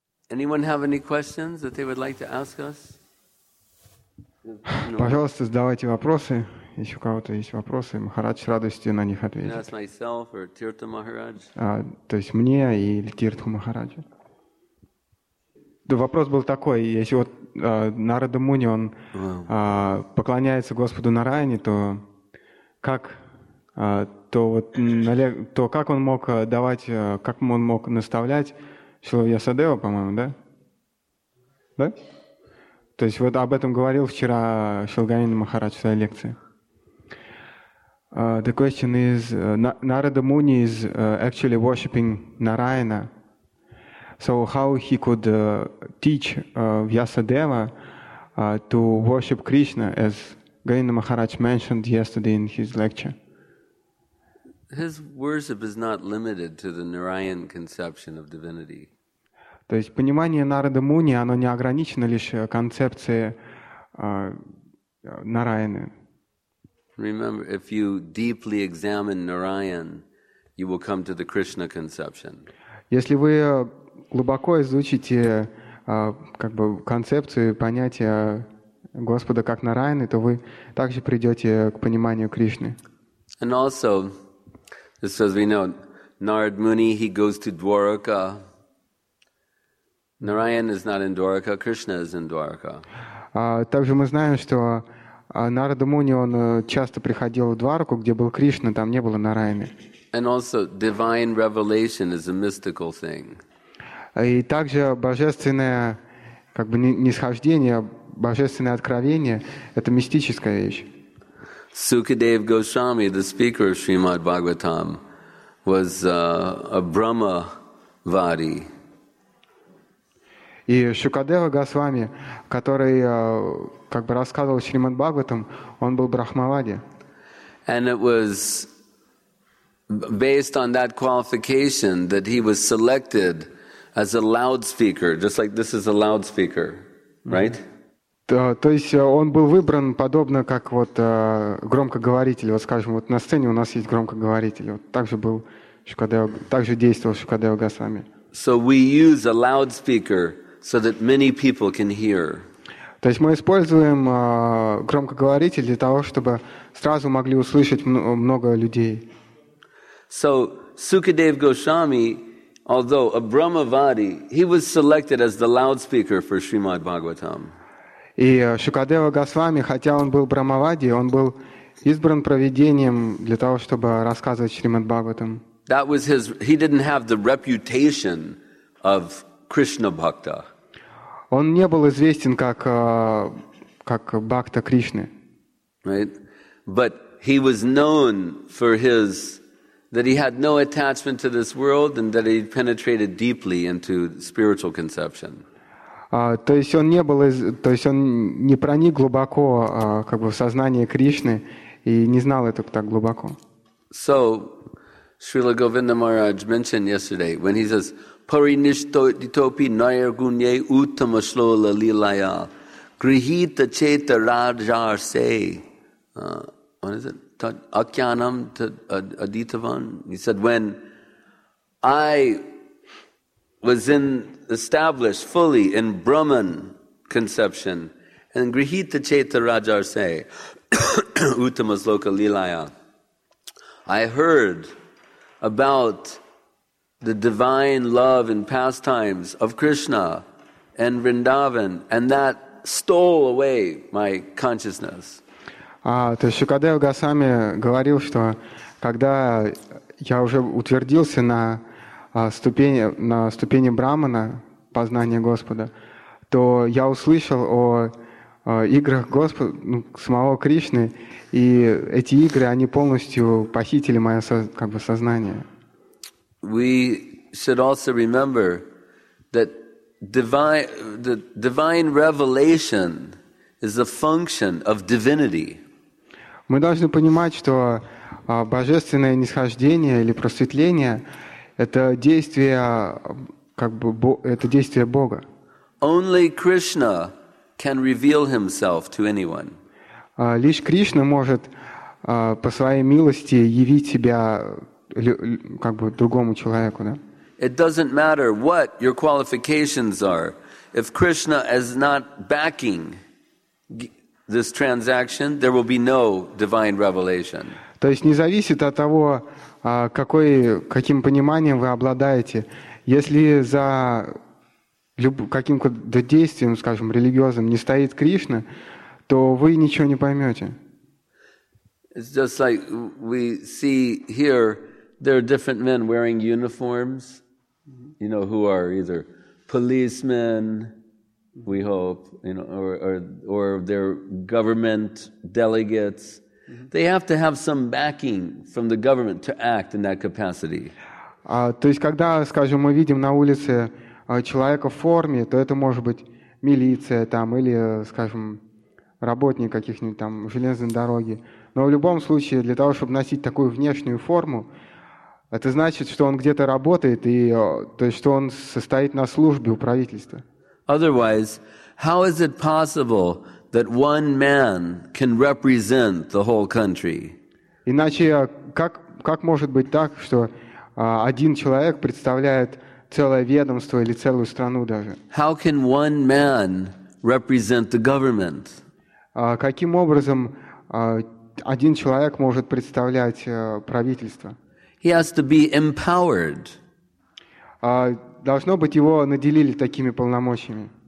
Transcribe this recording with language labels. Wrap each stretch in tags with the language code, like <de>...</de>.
<en>Anyone have any questions that they would like to ask us?</en> <ru>Пожалуйста, задавайте вопросы. Если у кого-то есть вопросы, Махарадж с радостью на них ответит.</ru> <en>Ask myself or Тирта Махарадж.</en> <ru>То есть мне или Тирту Махараджу. Вопрос был такой, если вот Нарада Муни, он поклоняется Господу Нараяне, то как, то как он мог давать, как он мог наставлять Шрила Вьясадева, по-моему, да? Да? То есть вот об этом говорил вчера Шрила Ганинда Махарадж в своей лекции.</ru> <en>The question is, Нарада Муни is actually worshipping Нараяна. So how he could teach Vyasadeva to worship Krishna, as Ganinda Maharaj mentioned yesterday in his lecture? His worship is not limited to the Narayan conception of divinity.</en> <ru>То есть понимание Нарада Муни, оно не ограничено лишь концепцией Нараяны.</ru> <en>Remember, if you deeply examine Narayan, you will come to the Krishna conception.</en> <ru>Если вы глубоко изучите как бы концепцию и понятие Господа как Нараяны, то вы также придете к пониманию Кришны.</ru> <en>And also, just as we know, Narad Muni, he goes to Dwaraka. Narayan is not in Dwaraka, Krishna is in Dwaraka.</en> <ru>Также мы знаем, что Нарада Муни, он часто приходил в Двараку, где был Кришна, там не было Нараяны.</ru> <en>And also, divine revelation is a mystical thing.</en> <ru>И также божественное как бы нисхождение, божественное откровение — это мистическая вещь.</ru> <en>Sukadev Goswami, the speaker of Srimad Bhagavatam, was a Brahmavadi.</en> <ru>И Шукадева Госвами, который как бы рассказывал Шримад Бхагаватам, он был брахмавади.</ru> <en>And it was based on that qualification that he was selected as a loudspeaker, just like this is a loudspeaker, right?</en> <ru>То есть он был выбран подобно как вот громкоговоритель. Вот скажем, вот на сцене у нас есть громкоговоритель. Вот также был Шукадева, также действовал Шукадева Госвами.</ru> <en>So we use a loudspeaker so that many people can hear.</en> <ru>То есть мы используем громкоговоритель для того, чтобы сразу могли услышать много людей.</ru> <en>So Sukadev Goswami, although a Brahmavadi, he was selected as the loudspeaker for Srimad Bhagavatam.</en> <ru>И Шукадева Госвами, хотя он был брахмавади, он был избран провидением для того, чтобы рассказывать Шримад Бхагаватам.</ru> <en>That was his. He didn't have the reputation of Krishna Bhakta.</en> <ru>Он не был известен как Бхакта Кришны.</ru> <en>Right, but he was known for his. That he had no attachment to this world and that he penetrated deeply into spiritual conception.</en> <ru>То есть он не был, то есть он не проник глубоко как бы в сознание Кришны и не знал это так глубоко.</ru> <en>So, Srila Govinda Maharaj mentioned yesterday when he says,</en> <sa>"Parinishtitopi nayargunye uttamashlola lilaya, grihita cheta rajar se."</sa> <en>What is it?</en> <sa>Akyanam to Aditavan.</sa> <en>He said, when I was established fully in Brahman conception and</en> <sa>Grihita Cheta Rajarse Uttamas Loka Lilaya,</sa> <en>I heard about the divine love and pastimes of Krishna and Vrindavan, and that stole away my consciousness.</en> <ru>То есть Шукадева Госвами говорил, что когда я уже утвердился на ступени Брахмана, познания Господа, то я услышал о играх Господа, ну, самого Кришны, и эти игры, они полностью похитили мое как бы сознание.</ru> <en>We should also remember that the divine revelation is a function of divinity.</en> <ru>Мы должны понимать, что божественное нисхождение или просветление — это действие, как бы, это действие Бога.</ru> <en>Only Krishna can reveal himself to anyone.</en> <ru>Лишь Кришна может по своей милости явить себя как бы другому человеку, да?</ru> <en>It doesn't matter what your qualifications are. If Krishna is not backing this transaction, there will be no divine revelation.</en> <ru>То есть не зависит от того, каким пониманием вы обладаете. Если за каким-то действием, скажем, религиозным, не стоит Кришна, то вы ничего не поймете.</ru> <en>It's just like we see here, there are different men wearing uniforms, you know, who are either policemen, we hope, you know, or they're government delegates. They have to have some backing from the government to act in that capacity.</en> <ru>То есть, когда, скажем, мы видим на улице человека в форме, то это может быть милиция там или, скажем, работник каких-нибудь там железной дороги. Но в любом случае, для того, чтобы носить такую внешнюю форму, это значит, что он где-то работает, и то есть, что он состоит на службе у правительства.</ru> <en>Otherwise, how is it possible that one man can represent the whole country?</en> <ru>Иначе как может быть так, что один человек представляет целое ведомство или целую страну даже?</ru> <en>How can one man represent the government?</en> <ru>Каким образом один человек может представлять правительство?</ru> <en>He has to be empowered.</en> <ru>Должно быть, его наделили такими полномочиями.</ru>